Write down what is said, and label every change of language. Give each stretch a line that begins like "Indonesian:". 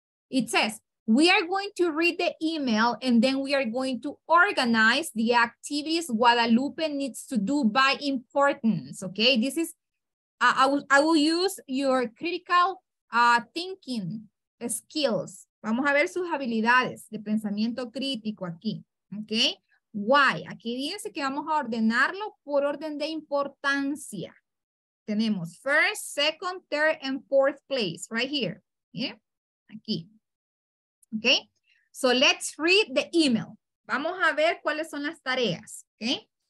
English: It says, we are going to read the email and then we are going to organize the activities Guadalupe needs to do by importance, okay? This is, I will use your critical thinking skills.
Spanish: Vamos a ver sus habilidades de pensamiento crítico aquí, okay? Why? Aquí dice que vamos a ordenarlo por orden de importancia. Tenemos
English: first, second, third, and fourth place, right here, yeah?
Spanish: Aquí.
English: Okay, so let's read the email.
Spanish: Vamos a ver cuáles son las tareas, okay?